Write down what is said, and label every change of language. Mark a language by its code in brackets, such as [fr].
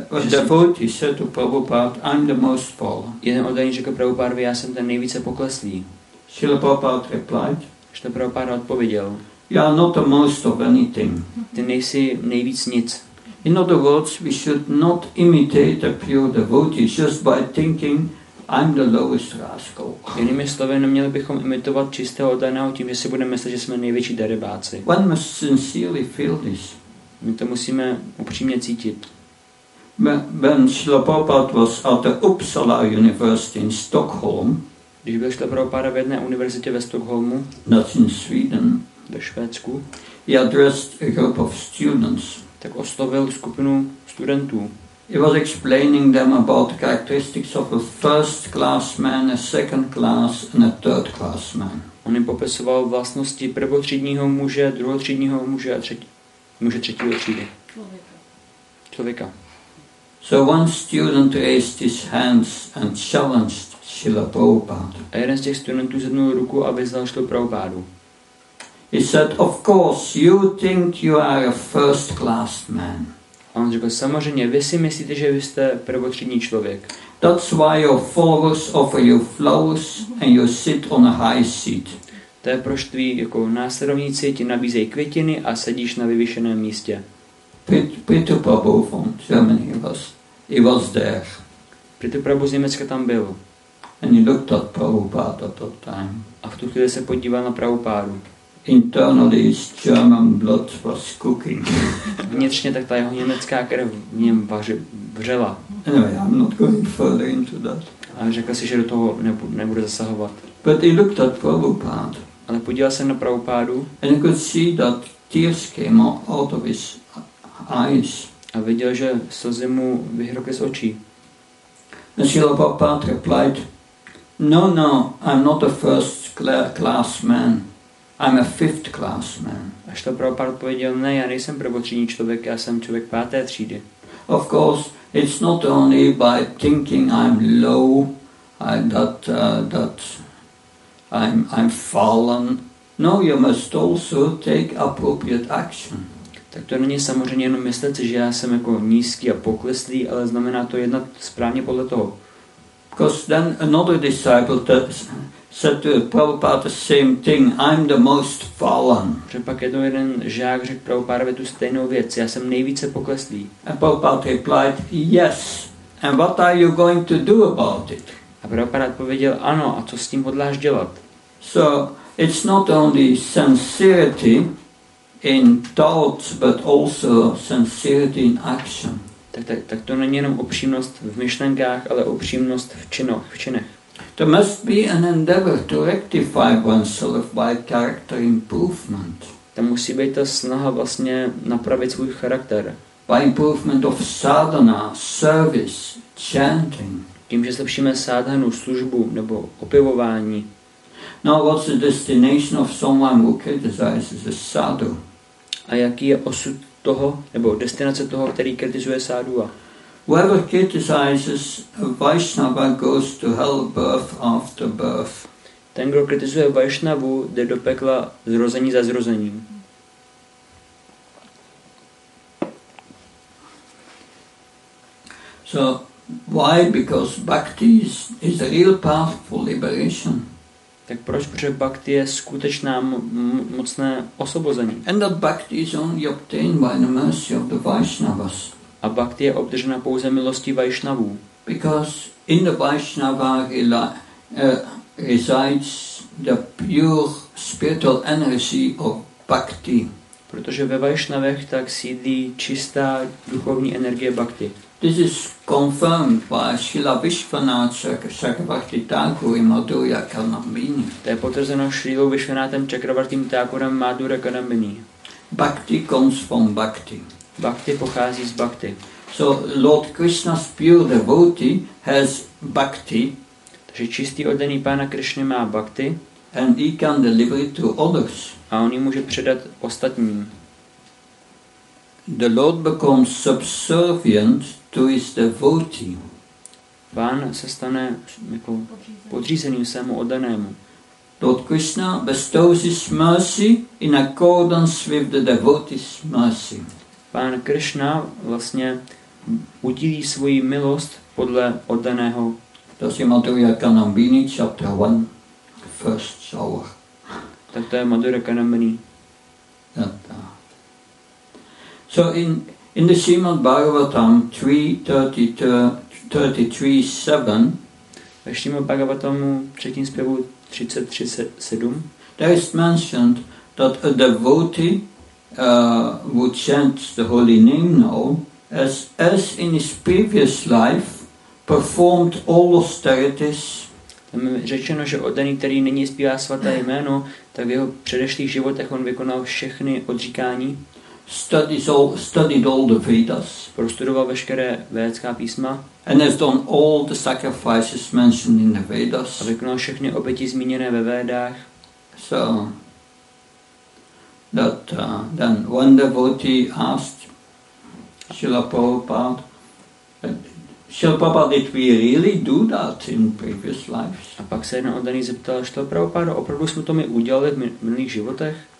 [en] Devotee said to Prabhupada, I'm the most fallen. [cs] Jeden oddaný řekl Prabhupada, já jsem ten nejvíce pokleslý. [en] Srila Prabhupada replied. [cs] Šta Prabhupada odpověděl. [en] You are not the most of anything. [cs] Ty nejsi nejvíc nic. [en] In other words, we should not imitate a pure devotee just by thinking I'm the lowest rascal. [cs] Jinými slovy, neměli bychom imitovat čistého oddaného tím, že si budeme myslet, že jsme největší darebáci. [en] One must sincerely feel this. [cs] My to musíme upřímně cítit. [en] When Srila Prabhupada was at the Uppsala University in Stockholm, [cs] když byl Srila Prabhupada v jedné univerzitě ve Stockholmu, [en] that's in Sweden, [cs] ve Švédsku, [en] he addressed a group of students. [cs] Tak oslovil skupinu studentů. [en] He was explaining them about the characteristics of a first class man, a second class and a third class man. [cs] On jim popisoval vlastnosti prvotřídního muže, druhotřídního muže a muže třetího třídy. Člověka. [en] So one student raised his hands and challenged Srila Prabhupada. [cs] A jeden z těch studentů zvednul ruku a vyzval Srilu Prabhupádu. [en] He said, of course, you think you are a first class man. [cs] On řekl, samozřejmě, vy si myslíte, že vy jste prvotřídní člověk. [en] That's why your followers offer you flowers and you sit on a high seat. [cs] To je proč tví jako následovníci ti nabízejí květiny a sedíš na vyvýšeném místě. [en] Peter Prabhu from Germany he was there. [cs] Peter Prabhu z Německa tam byl. [en] And he looked at Prabhupada at that time. [cs] A v tu chvíli se podíval na Prabhupádu. [en] Internally his German blood was cooking. [cs] Vnitřně tak ta jeho německá krev v něm vřela. [en] Anyway, I'm not going further into that. [cs] A řekl si, že do toho nebude zasahovat. [en] But he looked at Prabhupada. [cs] Ale podíval se na Prabhupádu. [en] And he could see that tears came out of his eyes. [cs] A viděl, že slzy mu vyhrokly z očí. [en] And Srila Prabhupada replied, No, I'm not a first class man. I'm a fifth class man. [cs] A Srila Prabhupada odpověděl, ne, já nejsem prvotřídní člověk, já jsem člověk páté třídy. [en] Of course, it's not only by thinking I'm low, I'm fallen. No, you must also take appropriate action. [cs] Tak to není samozřejmě jenom myslet, že já jsem jako nízký a pokleslý, ale znamená to jednat správně podle toho. [en] Because then another disciple said to Prabhupada the same thing, I'm the most fallen. [cs] Pak jeden žák řekl Prabhupadovi tu stejnou věc, já jsem nejvíce pokleslý. [en] And Prabhupada replied, yes, and what are you going to do about it? [cs] A Prabhupada odpověděl, ano, a co s tím hodláš dělat? [en] So, it's not only sincerity, in thoughts, but also sincerity in action. [cs] Tak to není jenom upřímnost v myšlenkách, ale upřímnost v činech. [en] There must be an endeavor to rectify oneself by character improvement. [cs] Tam musí být ta snaha vlastně napravit svůj charakter. [en] By improvement of sadhana, service, chanting. [cs] Tím, že zlepšíme sadhanu, službu nebo opěvování. [en] Now what's the destination of someone who criticizes a sadhu? [cs] A jaký je osud toho, nebo destinace toho, který kritizuje sadhua? [en] Whoever criticizes a Vaishnava goes to hell birth after birth. [cs] Ten, kdo kritizuje Vaishnavu, jde do pekla zrození za zrozením. [en] So, why? Because bhakti is a real path for liberation. [cs] Tak proč? Protože bhakti je skutečná mocné osvobození. [en] And that bhakti is only obtained by the mercy of the Vaishnavas. [cs] A bhakti je obdržena pouze milostí Vaishnavů. [en] Because in the Vaishnava resides the pure spiritual energy of bhakti. [cs] Protože ve Vaishnavech tak sídlí čistá duchovní energie bhakti. [en] This is confirmed by Srila Vishvanath Chakravarti Thakur in Madhurya Kanambini. [cs] To je potvrzeno Srilou Vishvanathem Chakravartim Thakurem Madhurya Kanambini. [en] Bhakti comes from bhakti. [cs] Bhakti pochází z bhakti. [en] So Lord Krishna's pure devotee has bhakti. [cs] Takže čistý oddaný pána Krishna má bhakti. [en] And he can deliver it to others. [cs] A on ji může předat ostatním. [en] The Lord becomes subservient to his devotee. [cs] Pán se stane jako podřízeným svému oddanému. [en] Lord Krishna bestows his mercy in accordance with the devotee's mercy. [cs] Pán Krishna vlastně udílí svoji milost podle oddaného. To je [en] Madhurya Kanambini, chapter 1, first hour. [cs] Tak to je Madhurya Kanambini. [en] So in the Srimad Bhagavatam 3:33-7, [cs] ve Srimad Bhagavatamu třetím zpěvu 33:7, [en] there is mentioned that a devotee would chant the holy name now as in his previous life performed all austerities. [cs] Tam je řečeno, že oddaný, který nyní zpívá svaté jméno, tak v jeho předešlých životech on vykonal všechny odříkání. [en] Studied all the Vedas. [cs] Prostudoval veškeré védská písma. [en] And has done all the sacrifices mentioned in the Vedas. [cs] A vykonal všechny oběti zmíněné ve Védách. [en] So that then one devotee asked Srila Prabhupada, Srila Prabhupada, did we really do that in previous lives? [cs] A pak se jeden oddaný zeptal, Srila Prabhupada, opravdu jsme to my udělali v minulých životech?